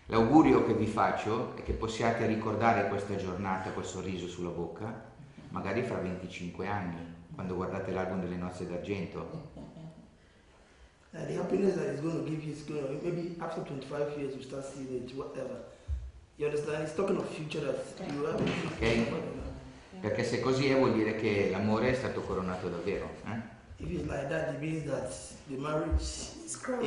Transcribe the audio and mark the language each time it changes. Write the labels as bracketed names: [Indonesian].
[Italian] è che possiate ricordare questa giornata col sorriso sulla bocca, magari fra 25 anni, quando guardate l'album delle nozze d'argento. [English] The happiness that it's going to give you is going to, maybe after 25 years you start seeing it, whatever. You understand? It's talking of future that you have. Okay. [Italian] Perché se così è vuol dire che l'amore è stato coronato davvero. Eh? [English] If it's like that, it means that the marriage is crowned.